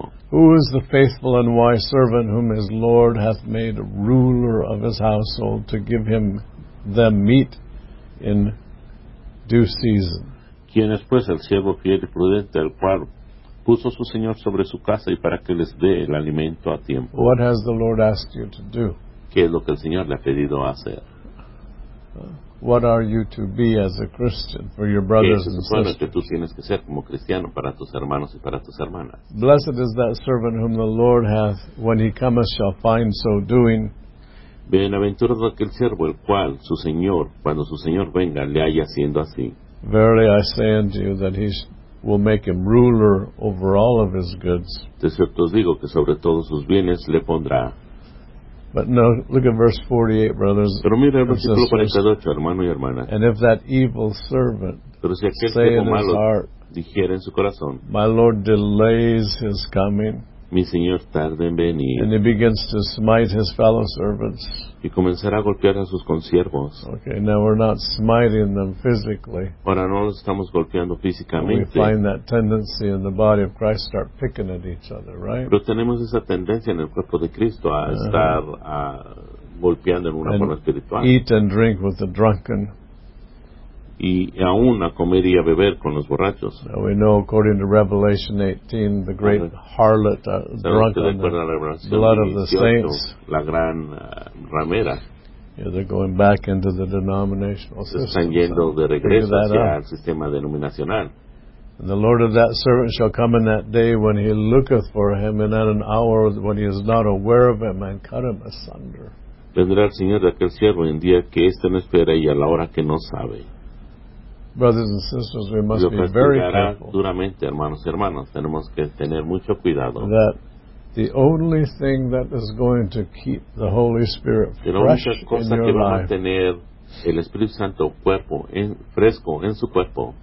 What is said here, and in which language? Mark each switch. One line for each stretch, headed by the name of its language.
English: Who is the faithful and wise servant whom his Lord hath made ruler of his household to give him them meat in due season?
Spanish: ¿Quién es pues el siervo fiel y prudente al cual puso su señor sobre su casa y para que les dé el alimento a tiempo?
English: What has the Lord asked you to do?
Spanish: ¿Qué es lo que el Señor le ha pedido hacer?
English: What are you to be as a Christian for your brothers and sisters?
Spanish: ¿Qué es lo que tú tienes que ser como cristiano para tus hermanos y para tus hermanas?
English: Blessed is that servant whom the Lord hath, when he cometh, shall find so doing.
Spanish: Bienaventurado aquel siervo el cual su señor, cuando su señor venga, le haya haciendo así.
English: Verily I say unto you that he will make him ruler over all of his goods.
Spanish: De cierto os digo que sobre todos sus bienes le pondrá.
English: But no, look at verse 48, brothers.
Spanish: Pero mira el versículo 48, hermano y hermana.
English: And if that evil servant say in his heart,
Spanish: dijera en su corazón,
English: my Lord delays his coming,
Spanish: mi señor tarde en venir,
English: and he begins to smite his fellow servants,
Spanish: y comenzará a golpear a sus consiervos.
English: Okay, now we're not smiting them physically.
Spanish: Ahora no los estamos golpeando físicamente.
English: We find that tendency in the body of Christ start picking at each other, right?
Spanish: Pero tenemos esa tendencia en el cuerpo de Cristo a estar golpeando en una forma espiritual.
English: Eat and drink with the drunken.
Spanish: y aún a comer y a beber con los borrachos.
English: We know according to Revelation 18, the great harlot, drunk on the blood of the saints.
Spanish: La gran ramera.
English: Yeah, they're going back into the denominational system.
Spanish: Están yendo de regreso hacia el sistema denominacional.
English: And the Lord of that servant shall come in that day when he looketh for him, and at an hour when he is not aware of him, and cut him asunder.
Spanish: Vendrá el Señor de aquel siervo en día que éste no espera y a la hora que no sabe.
English: Brothers and sisters, we must be very careful.
Spanish: Duramente, hermanos y hermanas, tenemos que tener mucho cuidado.
English: That the only thing that is going to keep the Holy Spirit fresh in your life.
Spanish: El Espíritu Santo cuerpo en, fresco en su cuerpo